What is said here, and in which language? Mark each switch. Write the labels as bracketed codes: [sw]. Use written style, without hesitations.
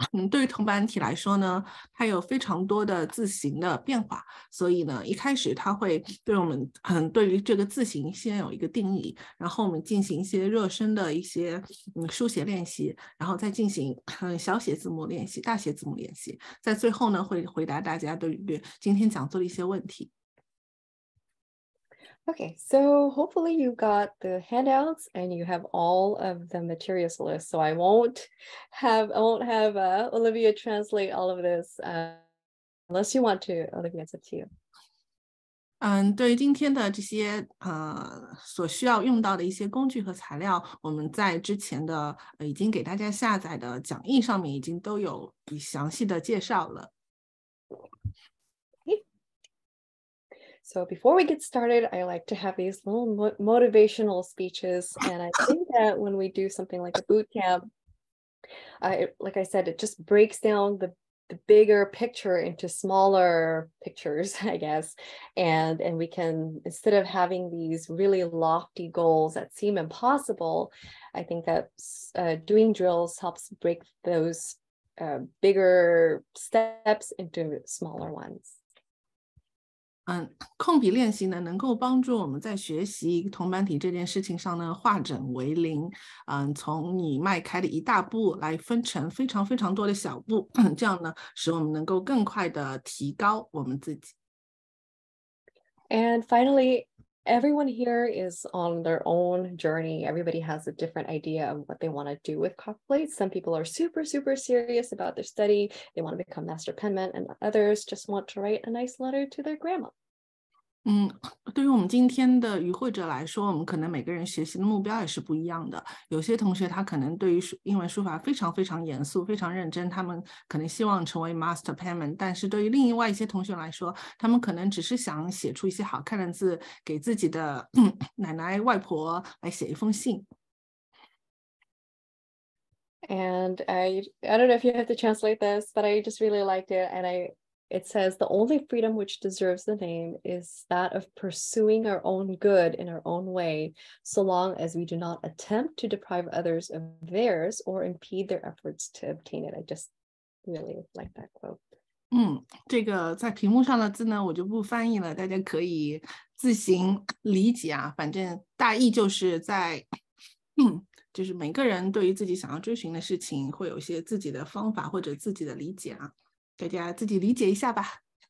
[zh] 对于铜板体来说呢，它有非常多的字形的变化，所以呢，一开始它会对我们对于这个字形先有一个定义，然后我们进行一些热身的一些书写练习，然后再进行小写字母练习、大写字母练习，在最后呢，会回答大家对于今天讲座的一些问题。 [en] Okay, so hopefully you got the handouts and you have all of the materials list. So I won't have Olivia translate all of this unless you want to. Olivia, it's up to you. [zh] 对于今天的这些所需要用到的一些工具和材料，我们在之前的已经给大家下载的讲义上面已经都有详细的介绍了。 [en] So before we get started, I like to have these little motivational speeches. And I think that when we do something like a boot camp, like I said, it just breaks down the bigger picture into smaller pictures, I guess. And we can, instead of having these really lofty goals that seem impossible, I think that doing drills helps break those bigger steps into smaller ones. [zh] 控笔练习呢，能够帮助我们在学习铜板体这件事情上呢，化整为零。从你迈开的一大步来分成非常非常多的小步，这样呢，使我们能够更快的提高我们自己。 [en] And finally, everyone here is on their own journey. Everybody has a different idea of what they want to do with copperplate. Some people are super, super serious about their study. They want to become master penman, and others just want to write a nice letter to their grandma. [zh] 对于我们今天的与会者来说，我们可能每个人学习的目标也是不一样的。有些同学他可能对于英文书法非常非常严肃、非常认真，他们可能希望成为 Master Penman。但是对于另外一些同学来说，他们可能只是想写出一些好看的字，给自己的奶奶、外婆来写一封信。 [en] And I don't know if you have to translate this, but I just really liked it. And it says, the only freedom which deserves the name is that of pursuing our own good in our own way, so long as we do not attempt to deprive others of theirs or impede their efforts to obtain it. I just really like that quote. [zh] 这个在屏幕上的字呢，我就不翻译了，大家可以自行理解啊。反正大意就是在，就是每个人对于自己想要追寻的事情，会有一些自己的方法或者自己的理解啊，大家自己理解一下吧。